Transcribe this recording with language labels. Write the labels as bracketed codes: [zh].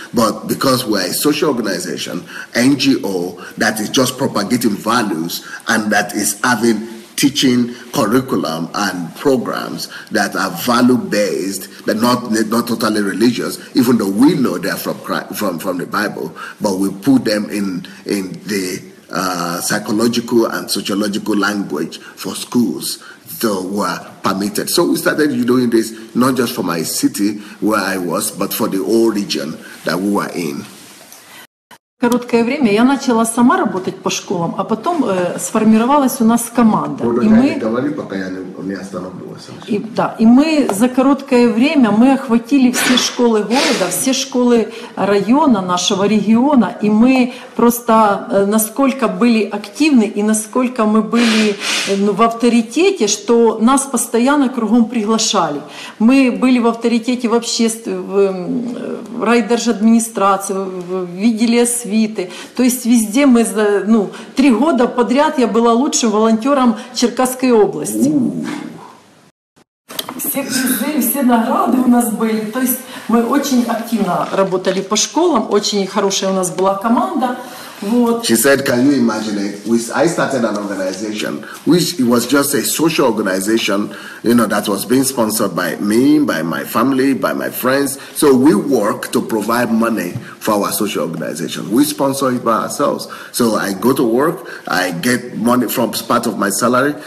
[en] But because we're a social organization, NGO, that is just propagating values and that is having teaching curriculum and programs that are value-based, but not totally religious, even though we know they're from the Bible, but we put them in the psychological and sociological language for schools, so we're permitted. So we started doing this, not just for my city where I was, but for the whole region that we were in. [ru] Короткое время я начала сама работать по школам, а потом сформировалась у нас команда. И мы, говори, пока я не остановилась. И мы за короткое время мы охватили все школы города, все школы района, нашего региона, и мы просто насколько были активны и насколько мы были в авторитете, что нас постоянно кругом приглашали. Мы были в авторитете в обществе, в райдержадминистрации, видели освещение. То есть везде мы за три года подряд я была лучшим волонтером Черкасской области. Все призы, все награды у нас были. То есть мы очень активно работали по школам, очень хорошая у нас была команда. Вот. [en] She said, "Can you imagine it? I started an organization, which it was just a social organization, you know, that was being sponsored by me, by my family, by my friends. So we work to provide money for our social organization. We sponsor it by ourselves. So I go to work, I get money from part of my salary.